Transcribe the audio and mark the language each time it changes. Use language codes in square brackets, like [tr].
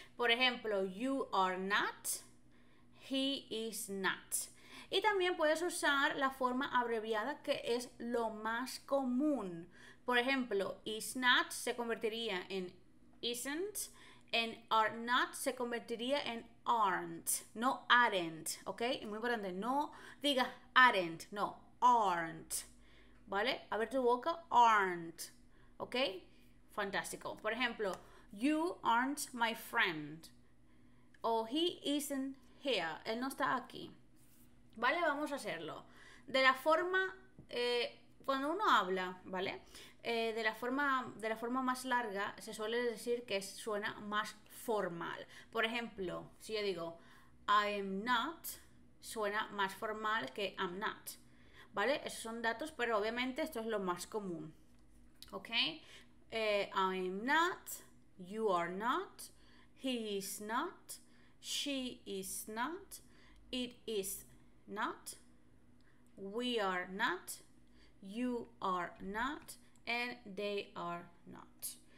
[es] Por ejemplo, [en] you are not, he is not. [es] Y también puedes usar la forma abreviada, que es lo más común. Por ejemplo, is not se convertiría en isn't, en are not se convertiría en aren't, no aren't, ¿ok? Es muy importante, no digas aren't, no, aren't, ¿vale? Abre tu boca, aren't, ¿ok? Fantástico. Por ejemplo, [en] you aren't my friend, [es] o [en] he isn't here, [es] él no está aquí, ¿vale? Vamos a hacerlo. De la forma, cuando uno habla, ¿vale? De la forma más larga, se suele decir que suena más formal. Por ejemplo, si yo digo, I am not, suena más formal que I'm not. ¿Vale? Esos son datos, pero obviamente esto es lo más común. ¿Ok? [en] I am not, you are not, he is not, she is not, it is not, we are not, you are not, and they are not.